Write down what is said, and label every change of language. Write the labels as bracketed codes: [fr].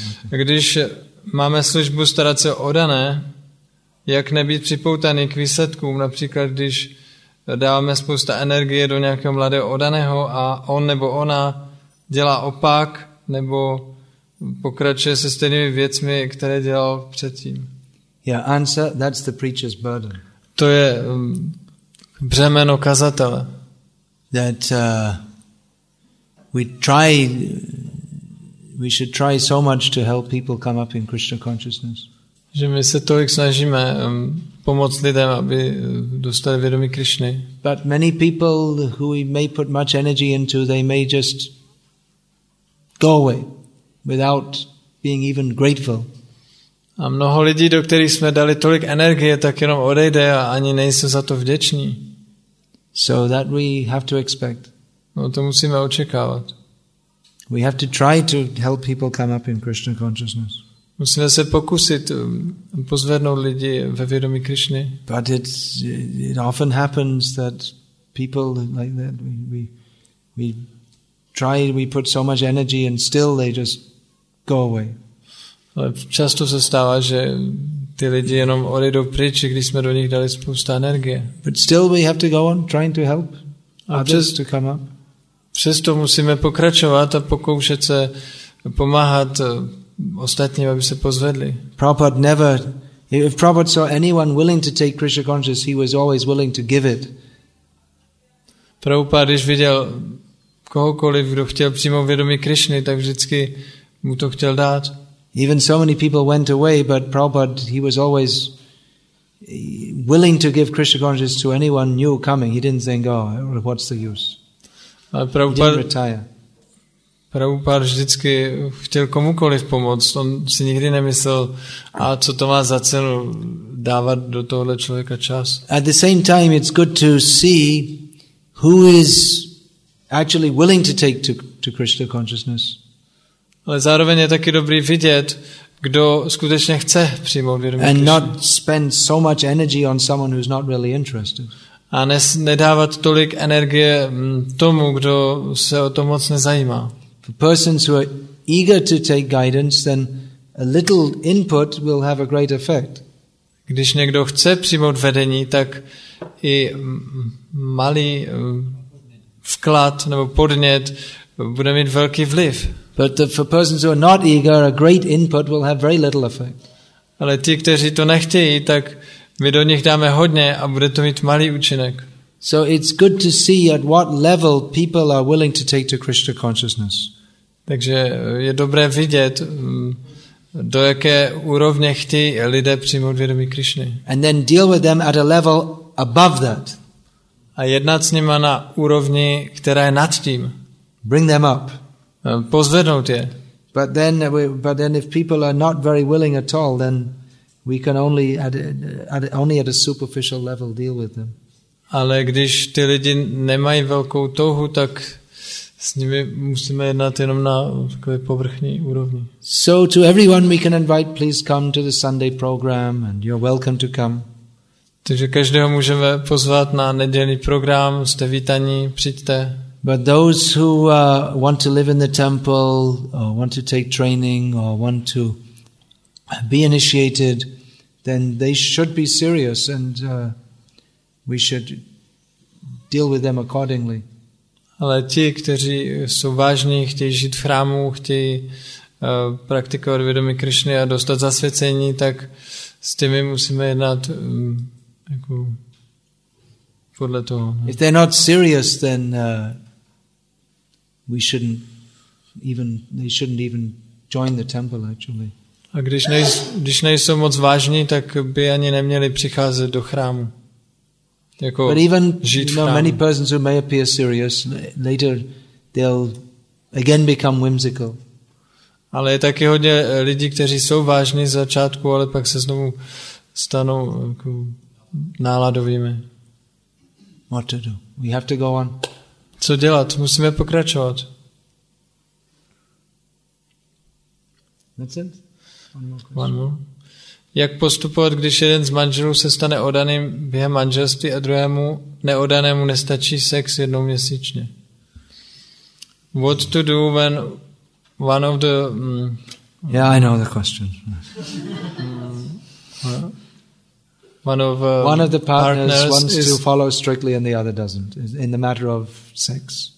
[cs] Když máme službu starat se o dané, jak nebýt připoutaný k výsledkům, například když dáváme spousta energie do nějakého mladého odaného a on nebo ona dělá opak nebo pokračuje se stejnými věcmi, které dělal předtím. [en] Yeah, answer, that's the preacher's burden. [cs] To je břemeno kazatele. [en] That we should try so much to help people come up in Krishna consciousness. [cs] Že my se tolik snažíme pomoct lidem, aby dostali vědomí Krišny. [en] But many people who we may put much energy into, they may just go away without being even grateful. [cs] A mnoho lidí, do kterých jsme dali tolik energie, tak jenom odejde a ani nejsou za to vděční. [en] So that we have to expect. [cs] No, to musíme očekávat. [en] We have to try to help people come up in Krishna consciousness. [cs] Musíme se pokusit pozvednout lidi ve vědomí Krišny. [en] But it often happens that people like that we try, we put so much energy and still they just go away. [cs] Ale často se stává, že ty lidi jenom odejdou pryč, když jsme do nich dali spousta energie. [en] But still we have to go on trying to help others to come up. [cs] Přesto musíme pokračovat a pokoušet se pomáhat ostatním, aby se pozvedli. [en] Prabhupada never, if Prabhupada saw anyone willing to take Krishna consciousness, he was always willing to give it. [cs] Prabhupada, když viděl kohokoliv, kdo chtěl přímo vědomí Krišny, tak vždycky mu to chtěl dát. [en] Even so many people went away, but Prabhupada, he was always willing to give Krishna consciousness to anyone new coming. He didn't think, oh, what's the use? [cs] Ale [en] Prabhupada, he didn't retire. [cs] Prabhupada vždycky chtěl komukoliv pomoct. On si nikdy nemyslel, a co to má za cenu dávat do tohle člověka čas. [en] At the same time, it's good to see who is actually willing to take to Krishna consciousness. [cs] Ale zároveň je taky dobrý vidět, kdo skutečně chce přijmout vědomí Krishna. [en] And not spend so much energy on someone who's not really interested. [cs] A nedávat tolik energie tomu, kdo se o to moc nezajímá. [en] For persons who are eager to take guidance, then a little input will have a great effect. [cs] Když někdo chce přijmout vedení, tak i malý vklad nebo podnět bude mít velký vliv. [en] But for persons who are not eager, a great input will have very little effect. [cs] Ale ti, kteří to nechtějí, tak my do nich dáme hodně a bude to mít malý účinek. [en] So it's good to see at what level people are willing to take to Krishna consciousness. [cs] Takže je dobré vidět, do jaké úrovně chtějí lidé přijmout vědomí Krišny. [en] And then deal with them at a level above that. [cs] A jednat s nima na úrovni, která je nad tím. [en] Bring them up. [cs] Pozvednout je. [en] But then if people are not very willing at all, then we can only at a superficial level deal with them. [cs] Ale když ty lidi nemají velkou touhu, tak s nimi musíme jednat jenom na takové povrchní úrovni. [en] So to everyone we can invite, please come to the Sunday program and you're welcome to come. [cs] Takže každého můžeme pozvat na nedělní program, jste vítaní, přijďte. [en] But those who want to live in the temple or want to take training or want to be initiated, then they should be serious and we should deal with them accordingly. [cs] Ale ti, kteří jsou vážní, chtějí žít v chrámu, chtějí praktikovat vědomí Krišny a dostat zasvěcení, tak s těmi musíme jednat jako podle toho. Ne? [en] If they're not serious, then we shouldn't even they shouldn't even join the temple actually. [cs] A když nejsou moc vážní, tak by ani neměli přicházet do chrámu. Jako [en] but even many persons who may appear serious later they'll again become whimsical. [cs] Ale je taky hodně lidí, kteří jsou vážní z začátku, ale pak se znovu stanou jako náladovými. [en] What to do? We have to go on. [cs] Co dělat? Musíme pokračovat. [en] That's it? One more. [cs] Jak postupovat, když jeden z manželů se stane odaným během manželství a druhému neodanému nestačí sex jednou měsíčně? [en] What to do when one of the... I know the question. One of the partners wants is, to follow strictly and the other doesn't, in the matter of sex.